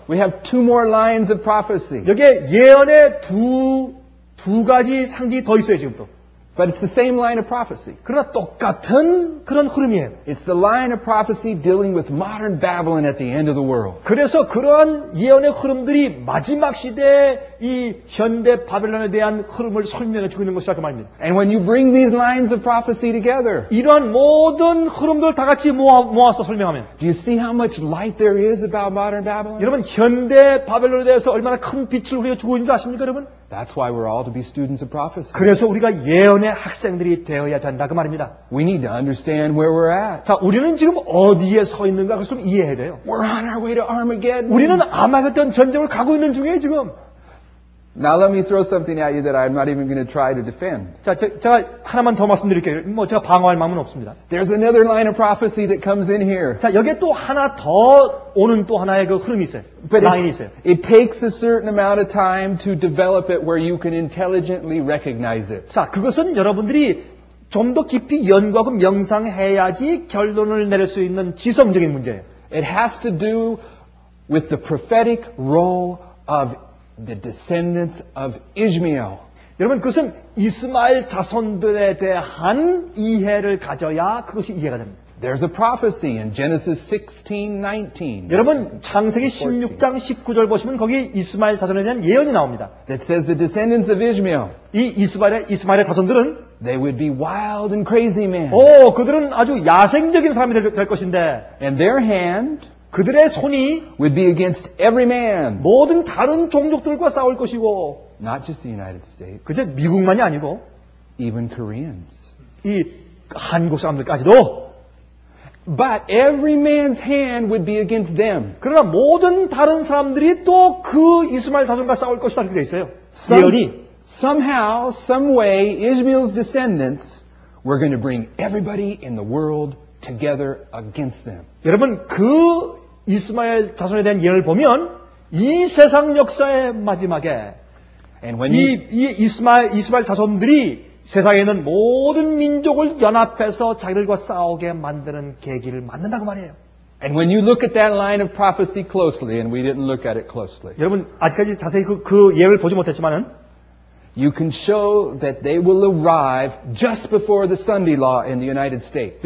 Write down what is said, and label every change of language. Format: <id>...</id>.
<en>We have two more lines of prophecy.</en> <ko>여기에 예언의 두 가지 상징이 더 있어요 지금 또.</ko> <en>But it's the same line of prophecy.</en> <ko>그러나 똑같은 그런 흐름이에요.</ko> <en>It's the line of prophecy dealing with modern Babylon at the end of the world.</en> <ko>그래서 그러한 예언의 흐름들이 마지막 시대의 이 현대 바벨론에 대한 흐름을 설명해 주고 있는 것이라 그 말입니다.</ko> <en>And when you bring these lines of prophecy together,</en> <ko>이러한 모든 흐름들 다 같이 모아서 설명하면,</ko> <en>do you see how much light there is about modern Babylon?</en> <ko>여러분 현대 바벨론에 대해서 얼마나 큰 빛을 우리가 주고 있는지 아십니까, 여러분?</ko> <en>That's why we're all to be students of prophecy.</en> <ko>그래서 우리가 예언의 학생들이 되어야 된다 그 말입니다.</ko> <en>We need to understand where we're at.</en> <ko>자, 우리는 지금 어디에 서 있는가 그것 좀 이해해야 돼요.</ko> <en>We're on our way to Armageddon.</en> <ko>우리는 아마겟돈 전쟁을 가고 있는 중이에요, 지금.</ko> <en>Now let me throw something at you that I'm not even going to try to defend.</en> <ko>자, 제가 하나만 더 말씀드릴게요. 뭐 제가 방어할 마음은 없습니다.</ko> <en>There's another line of prophecy that comes in here.</en> <ko>자, 여기에 또 하나 더 오는 또 하나의 그 흐름이 있어요.</ko> <en>But</en> <ko>라인이 있어요.</ko> <en>It takes a certain amount of time to develop it where you can intelligently recognize it.</en> <ko>자, 그것은 여러분들이 좀 더 깊이 연구하고 명상해야지 결론을 내릴 수 있는 지성적인 문제예요.</ko> <en>It has to do with the prophetic role of The descendants of Ishmael.</en> <ko>여러분 그것은 이스마엘 자손들에 대한 이해를 가져야 그것이 이해가 됩니다.</ko> <en>There's a prophecy in Genesis 16:19.</en> <ko>여러분 창세기 16장 19절 보시면 거기 이스마엘 자손에 대한 예언이 나옵니다.</ko> <en>That says the descendants of Ishmael.</en> <ko>이 이스마엘의 자손들은</ko> <en>They would be wild and crazy men.</en> <ko>오, 그들은 아주 야생적인 사람이 될 것인데.</ko> <en>And their hand.</en> <ko>그들의 손이</ko> <en>would be against every man.</en> <ko>모든 다른 종족들과 싸울 것이고</ko> <en>Not just the United States.</en> <ko>그저 미국만이 아니고</ko> <en>Even Koreans.</en> <ko>이 한국 사람들까지도</ko> <en>But every man's hand would be against them.</en> <ko>그러나 모든 다른 사람들이 또 그 이스마엘 자손과 싸울 것이다 이렇게 돼 있어요. 예언이</ko> <en>Somehow, some way, Ishmael's descendants were going to bring everybody in the world together against them.</en> <ko>여러분 그 이스마엘 자손에 대한 예언을 보면 이 세상 역사의 마지막에</ko> <en>And when you,</en> <ko>이스마엘 자손들이 세상에 있는 모든 민족을 연합해서 자기들과 싸우게 만드는 계기를 만든다고 말해요.</ko> <en>And when you look at that line of prophecy closely and we didn't look at it closely.</en> <ko>여러분 아직까지 자세히 그 예언을 보지 못했지만은</ko> <en>You can show that they will arrive just before the Sunday law in the United States.</en>